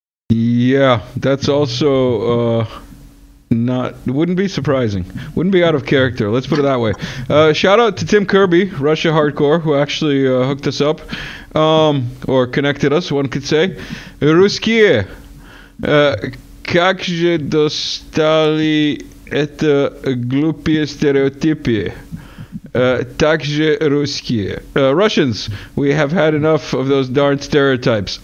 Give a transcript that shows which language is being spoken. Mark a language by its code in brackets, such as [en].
[en] Yeah, that's also wouldn't be surprising. Wouldn't be out of character, let's put it that way. Shout out to Tim Kirby, Russia Hardcore, who actually hooked us up, or connected us, one could say. [ru] Русские, как же достали это глупые стереотипы? Также русские. [en] Russians, we have had enough of those darn stereotypes.